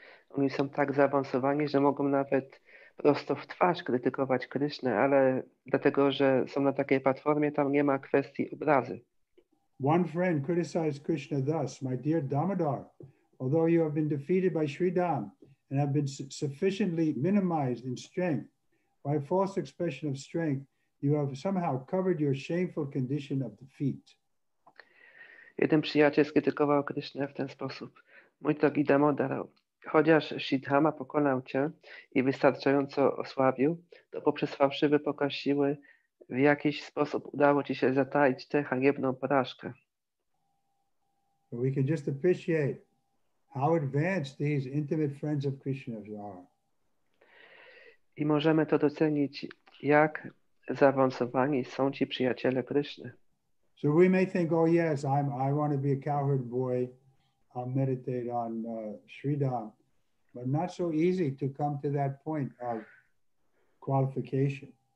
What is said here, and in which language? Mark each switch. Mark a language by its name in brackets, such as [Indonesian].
[Polish] Oni są tak zaawansowani, że mogą nawet prosto w twarz krytykować Krishna, ale dlatego, że są na takiej platformie, tam nie ma kwestii obrazy. [English] One friend criticized Krishna thus: "My dear Damodar, although you have been defeated by Sri Dham and have been sufficiently minimized in strength by a false expression of strength, you have somehow covered your shameful condition of defeat." [Polish] Jeden przyjaciel skrytykował Krysznę w ten sposób. Mój drogi Damodaro, chociaż Sridhara pokonał cię i wystarczająco osłabił, to poprzez fałszywy pokaz siły w jakiś sposób udało ci się zataić tę haniebną porażkę. [English] We can just appreciate how advanced these intimate friends of Krishna are. [Polish] I możemy to docenić, jak zaawansowani są ci przyjaciele Kryszny. [English] So we may think, oh yes, I want to be a cowherd boy, I'll meditate on Sridhar, but not so easy to come to that point of qualification.